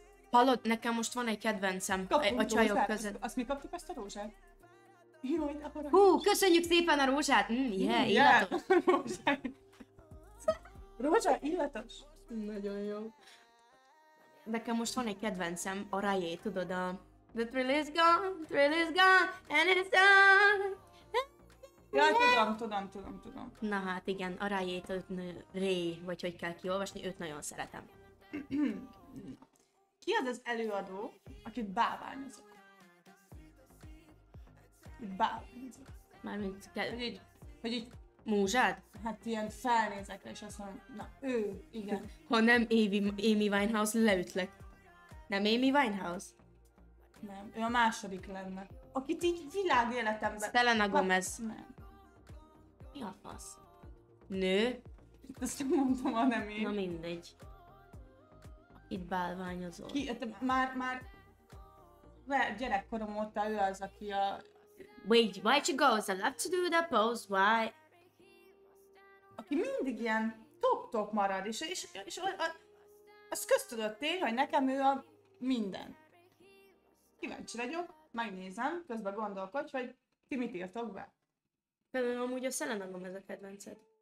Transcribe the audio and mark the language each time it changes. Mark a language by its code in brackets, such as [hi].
[hu] Hallod, nekem most van egy kedvencem a csajok között. Azt mi kaptuk, ezt a rózsát? Hú, köszönjük szépen a rózsát! Illatos! Rózsa, illatos? Nagyon jó. Nekem most van egy kedvencem, a Rayé, tudod a... [en] The thrill is gone, and it's gone! [hu] Jaj, tudom. Na hát igen, a Rayé, vagy hogy kell kiolvasni, őt nagyon szeretem. Ki az az előadó, akit báványozok? Mármint kell... Hogy így... Múzsád? Hát ilyen felnézek rá, és azt mondom, na ő, igen. Ha nem Amy Winehouse, leütlek. Nem Amy Winehouse? Nem, ő a második lenne. Akit így világ életemben... Selena Gomez. Hát, nem. Mi a fasz? Nő? Ezt csak mondom, ha nem én. Na mindegy. Itt bálványozol. Ki? Hát, már... Gyerekkorom óta ő az, aki a... [en] Wait, why she goes? I love to do the pose, why? [hu] Aki mindig ilyen top marad, és az köztudott tény, hogy nekem ő a minden. Kíváncsi vagyok, megnézem, közben gondolkodj, hogy ti mit írtok be? Például amúgy a Selena Gomez a kedvenced.